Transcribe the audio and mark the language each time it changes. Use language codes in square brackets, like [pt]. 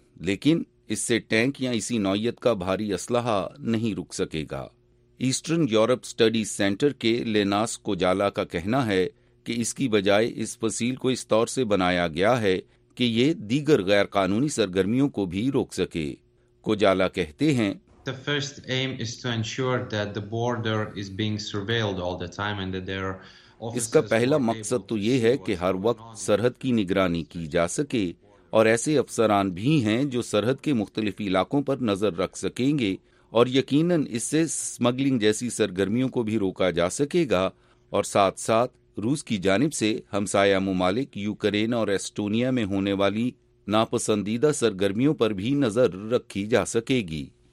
[ur] لیکن اس سے ٹینک یا اسی نوعیت کا بھاری اسلحہ نہیں رک سکے گا. ایسٹرن یورپ اسٹڈی سینٹر کے لیناس کوجالا کا کہنا ہے کہ اس کی بجائے اس فصیل کو اس طور سے بنایا گیا ہے کہ یہ دیگر غیر قانونی سرگرمیوں کو بھی روک سکے. کوجالا کہتے ہیں, [en] The first aim is to ensure that the border is being surveilled all the time and that there are officers. [ur] اس کا پہلا مقصد تو یہ ہے کہ ہر وقت سرحد کی نگرانی کی جا سکے, اور ایسے افسران بھی ہیں جو سرحد کے مختلف علاقوں پر نظر رکھ سکیں گے, اور یقیناً اس سے اسمگلنگ جیسی سرگرمیوں کو بھی روکا جا سکے گا. اور ساتھ ساتھ روس کی جانب سے ہمسایہ ممالک یوکرین اور ایسٹونیا میں ہونے والی ناپسندیدہ سرگرمیوں پر بھی نظر رکھی جا سکے گی.